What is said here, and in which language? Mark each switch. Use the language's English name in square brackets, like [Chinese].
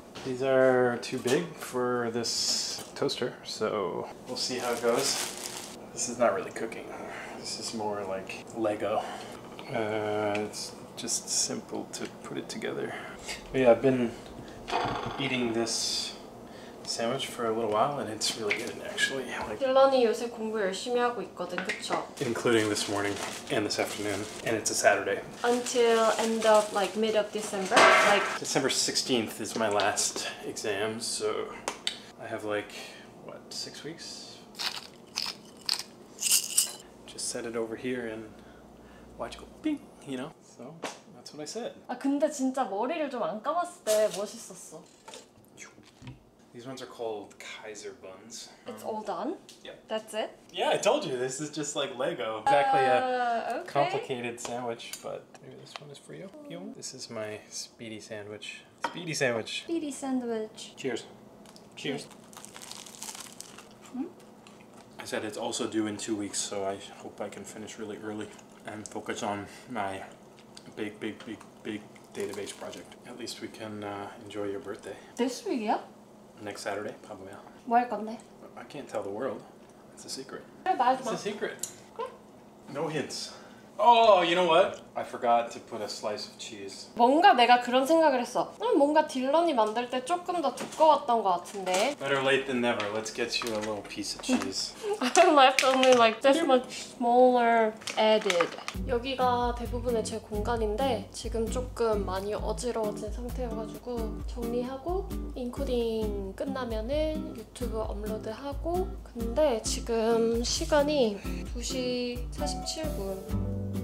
[English] These are too big for this toaster, so we'll see how it goes. This is not really cooking. This is more like Lego. It's just simple to put it together. But yeah, I've been eating this sandwich for a little while and it's really good actually. [Korean] Dylan이 요새 공부 열심히 하고 있거든, 그쵸? [English] Including this morning and this afternoon, and it's a Saturday. Until end of like mid of December, like December 16th is my last exam, so I have like what, 6 weeks? Just set it over here and watch it go bing, you know? So that's what I said. [Korean] 아 근데 진짜 머리를 좀 안 감았을 때 멋있었어. [English] These ones are called Kaiser buns. It's all done? Yep. That's it? Yeah, I told you, this is just like Lego. Exactly a complicated sandwich, but maybe this one is for you. This is my speedy sandwich. Speedy sandwich. Speedy sandwich. Cheers. Cheers. I said it's also due in 2 weeks, so I hope I can finish really early and focus on my big, big, big, big database project. At least we can enjoy your birthday. This week, yeah? Next Saturday, probably. [Korean] 뭐 할 건데? [English] I can't tell the world. It's a secret. [Korean] 그래, 말하지 [English] 마. It's a secret. [Korean] 그래. [English] No hints. Oh, you know what? I forgot to put a slice of cheese. [Korean] 뭔가 내가 그런 생각을 했어. 뭔가 딜런이 만들 때 조금 더 두꺼웠던 것 같은데. [English] Better late than never. Let's get you a little piece of cheese. I left only like this much smaller added. [Korean] 여기가 대부분의 제 공간인데 지금 조금 많이 어지러워진 상태여가지고 정리하고 인코딩 끝나면은 유튜브 업로드하고 근데 지금 시간이 2시 47분.